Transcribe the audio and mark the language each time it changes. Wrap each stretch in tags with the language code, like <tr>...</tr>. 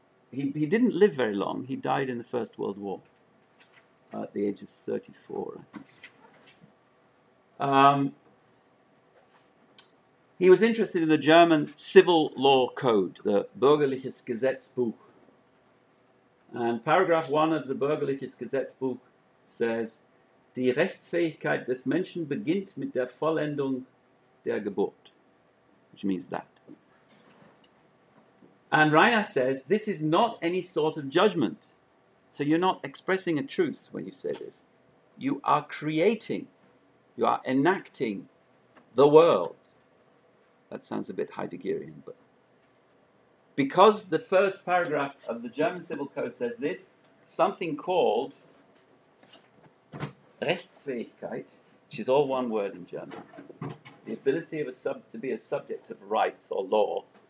<en>He didn't live very long. He died in the First World War at the age of 34, I think. He was interested in the German civil law code, the Bürgerliches Gesetzbuch. And paragraph 1 of the Bürgerliches Gesetzbuch says,</en> <de>die Rechtsfähigkeit des Menschen beginnt mit der Vollendung der Geburt,</de> <en>which means that. And Reinach says, this is not any sort of judgment. So you're not expressing a truth when you say this. You are creating, you are enacting the world. That sounds a bit Heideggerian, but because the first paragraph of the German Civil Code says this, something called Rechtsfähigkeit, which is all one word in German, the ability of to be a subject of rights or law.</en>